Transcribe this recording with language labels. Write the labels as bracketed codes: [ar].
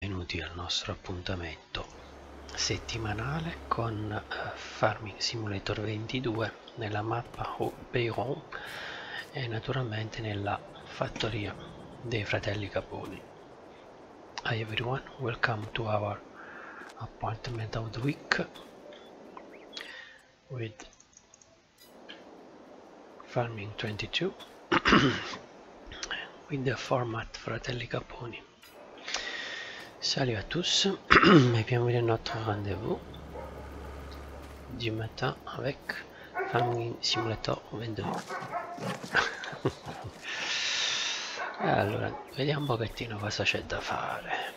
[it] benvenuti al nostro appuntamento settimanale con Farming Simulator 22 nella mappa Bayron e naturalmente nella fattoria dei fratelli Caponi. [en] Hi everyone, welcome to our appointment of the week with Farming 22 with the format Fratelli Caponi. [fr] Salut à tous et bienvenue à notre rendez-vous du matin avec Farming Simulator 22. [it] Allora, vediamo un pochettino cosa c'è da fare.